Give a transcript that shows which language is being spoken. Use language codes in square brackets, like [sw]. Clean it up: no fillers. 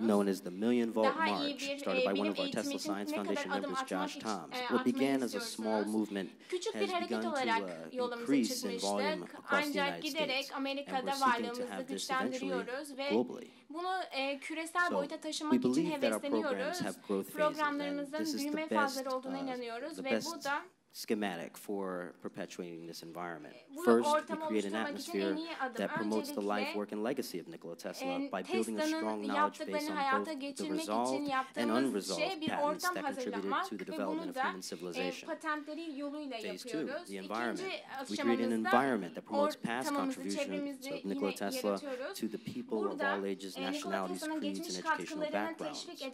[en] Known as the Million Volt March, started by one of our Tesla Science Foundation members, Josh Toms. What began as a small movement has begun to increase in volume across the United States, and we're seeking to have this eventually globally. [tr] Bunu küresel boyuta taşımak için hevesleniyoruz. Programlarımızın büyüme fazları olduğuna inanıyoruz ve bu da [en] schematic for perpetuating this environment. First, we create an atmosphere that promotes the life, work, and legacy of Nikola Tesla by building a strong knowledge base on both the resolved and unresolved patents that contributed to the development of human civilization. Phase two, the environment. We create an environment that promotes past contributions of Nikola Tesla to the people of all ages, nationalities, creeds, and educational backgrounds.